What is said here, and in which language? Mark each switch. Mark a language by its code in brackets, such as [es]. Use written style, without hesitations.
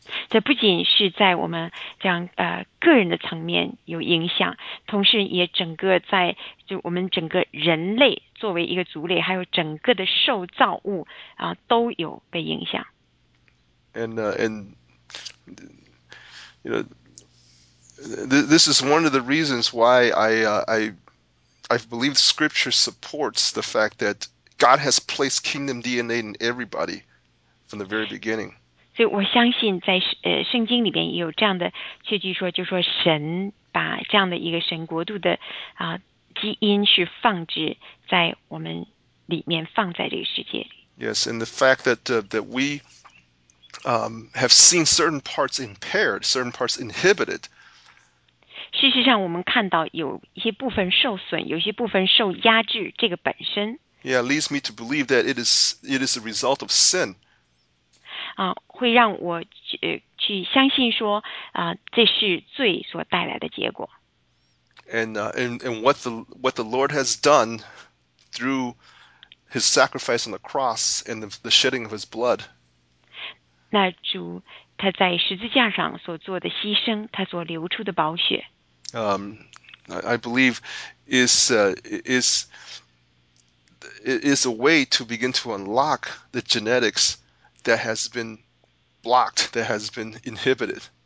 [zh] 这不仅是在我们这样个人的层面有影响，同时也整个在就我们整个人类作为一个族类，还有整个的受造物都有被影响。 [en] And you know, this is one of the reasons why I believe Scripture supports the fact that God has placed kingdom DNA in everybody from the very beginning. [zh] 所以我相信在圣经里边也有这样的确据说，就是说神把这样的一个神国度的基因是放置在我们里面，放在这个世界里。 [en] Yes, and the fact that we have seen certain parts impaired, certain parts inhibited. [zh] 事实上我们看到有一些部分受损，有些部分受压制，这个本身。 [en] Yeah, leads me to believe that it is a result of sin. [zh] 会让我去相信说这是罪所带来的结果。 [en] And what the Lord has done through His sacrifice on the cross and the shedding of His blood. [zh] 那主他在十字架上所做的牺牲，他所流出的宝血。 [en] I believe is a way to begin to unlock the genetics that has been blocked, that has been inhibited.